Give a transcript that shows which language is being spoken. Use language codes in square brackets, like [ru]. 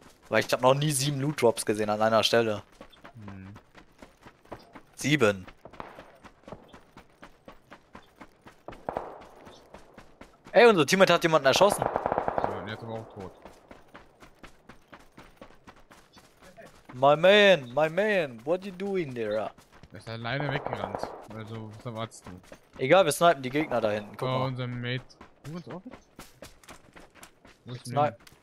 [de] Weil ich habe noch nie 7 Loot Drops gesehen an einer Stelle. Hm. 7. Ey, unser Teammate hat jemanden erschossen. Ja, der ist aber auch tot. [en] My man, what are you doing there? [de] Er ist alleine weggerannt. Also, was erwartest du? Egal, wir snipen die Gegner da hinten. Guck mal. Unser Mate. Du uns auch? Wo ist Snipe.